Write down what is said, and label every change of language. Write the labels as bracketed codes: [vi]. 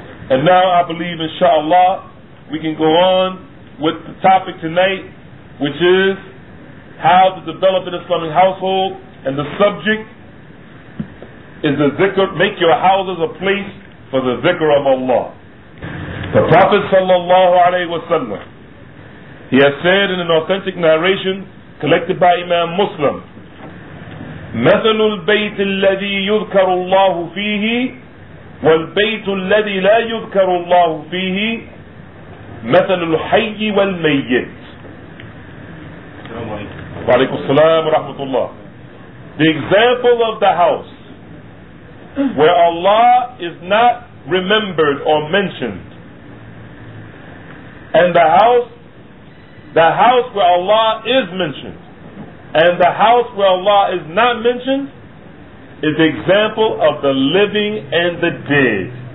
[en] And now I believe, inshallah, we can go on with the topic tonight, which is how to develop an Islamic household, and the subject is the zikr, make your houses a place for the zikr of Allah. The Prophet sallallahu alaihi wasallam He has said in an authentic narration collected by Imam Muslim, [ar] مثل البيت الذي يذكر الله فيه والبيت الذي لا يذكر الله فيه مثل الحي والميت. وعليكم السلام ورحمة الله. [en] The example of the house where Allah is not remembered or mentioned, and the house where Allah is mentioned, and the house where Allah is not mentioned, is the example of the living and the dead.